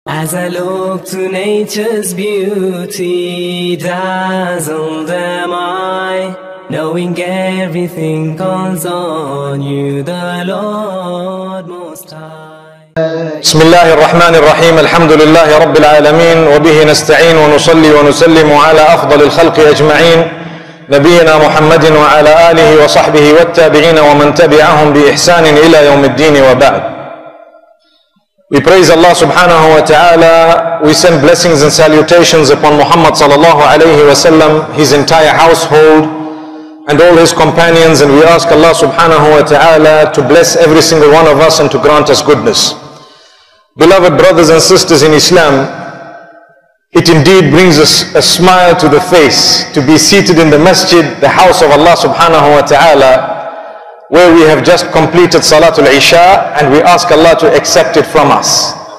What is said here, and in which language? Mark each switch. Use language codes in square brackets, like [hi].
[en] As I look to nature's beauty, dazzled am I, knowing everything calls on you, the Lord Most High. [ar] بسم الله الرحمن الرحيم الحمد لله رب العالمين وبه نستعين ونصلي ونسلم على أفضل الخلق أجمعين نبينا محمد وعلى آله وصحبه والتابعين ومن تبعهم بإحسان إلى يوم الدين وبعد. [en] We praise Allah subhanahu wa ta'ala. We send blessings and salutations upon Muhammad sallallahu alayhi wa sallam, his entire household and all his companions, and we ask Allah subhanahu wa ta'ala to bless every single one of us and to grant us goodness. Beloved brothers and sisters in Islam, it indeed brings us a smile to the face to be seated in the masjid, the house of Allah subhanahu wa ta'ala, where we have just completed Salatul Isha, and we ask Allah to accept it from us.